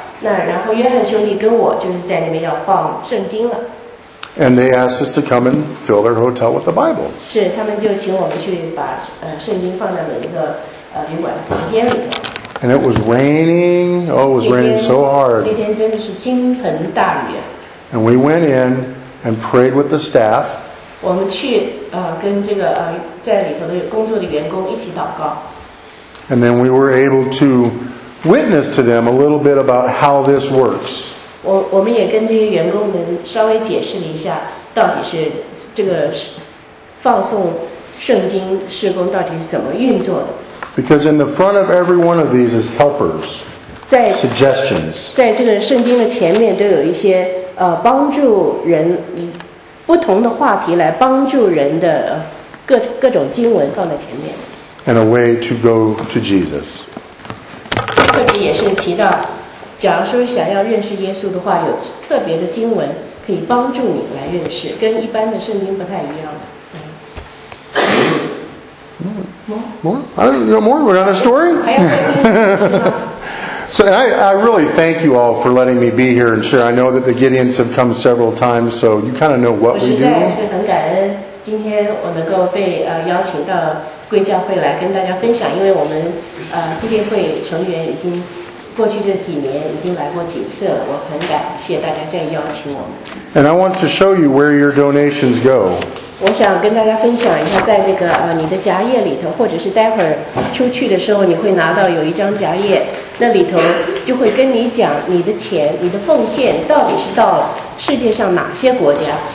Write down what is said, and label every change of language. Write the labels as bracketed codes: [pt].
[zh] 那然后约翰兄弟跟我就是在那边要放圣经了。 [en] And they asked us to come and fill their hotel with the Bibles. [zh] 是，他们就请我们去把圣经放在每一个旅馆的房间里。 [en] And it was raining. Oh, it was raining so hard. [zh] 那天真的是倾盆大雨。 [en] And we went in and prayed with the staff. [zh] 我们去跟这个在里头的工作的员工一起祷告。 [en] And then we were able to witness to them a little bit about how this works. [zh] 我们也跟这些员工们稍微解释了一下，到底是这个放送圣经事工到底是怎么运作的。 [en] Because in the front of every one of these is helpers, suggestions. [zh] 在这个圣经的前面都有一些帮助人不同的话题来帮助人的各种经文放在前面。 [en] And a way to go to Jesus. [zh] 特别也是提到，假如说想要认识耶稣的话，有特别的经文可以帮助你来认识，跟一般的圣经不太一样的。 [en] More? I don't know more. Another story? [zh] 还要再听吗？ [en] So I really thank you all for letting me be here and share. I know that the Gideons have come several times, so you kind of know what we do. [zh] 今天我能够被邀请到贵教会来跟大家分享，因为我们基金会成员已经过去这几年已经来过几次了，我很感谢大家再邀请我们。 [en] And I want to show you where your donations go. [zh] 我想跟大家分享一下，在那个你的夹页里头，或者是待会儿出去的时候，你会拿到有一张夹页，那里头就会跟你讲你的钱、你的奉献到底是到了世界上哪些国家。